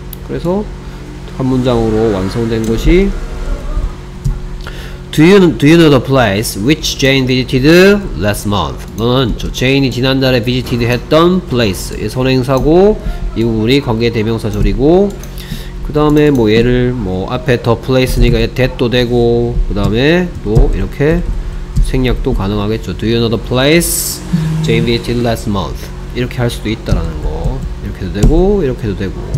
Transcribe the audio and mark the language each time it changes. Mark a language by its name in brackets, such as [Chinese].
[Korean] 그래서 한 문장으로 완성된 것이 [English] do you know the place which Jane visited last month? [Korean] 너는 저 제인이 지난달에 visited 했던 place. 이 선행사고 이 부분이 관계대명사절이고 그 다음에 뭐 얘를 뭐 앞에 the place니까 that도 되고 그 다음에 또 이렇게 생략도 가능하겠죠. [English] Do you know the place Jane visited last month? [Korean] 이렇게 할 수도 있다라는 거. 이렇게도 되고 이렇게도 되고.